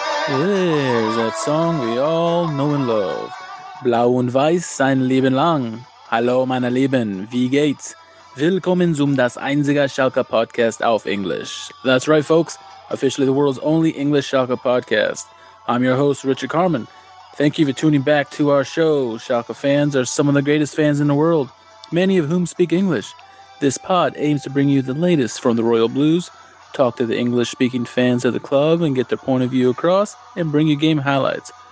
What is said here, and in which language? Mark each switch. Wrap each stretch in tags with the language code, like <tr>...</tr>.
<en>is that song we all know and love.</en> <de>Blau und Weiß, ein Leben lang. Hallo meine Lieben, wie geht's? Willkommen zum das einzige Schalke Podcast auf Englisch.</de> <en>That's right folks, officially the world's only English Schalke Podcast. I'm your host Richard Carmen. Thank you for tuning back to our show. Schalke fans are some of the greatest fans in the world, many of whom speak English. This pod aims to bring you the latest from the Royal Blues, talk to the English-speaking fans of the club and get their point of view across, and bring you game highlights.</en>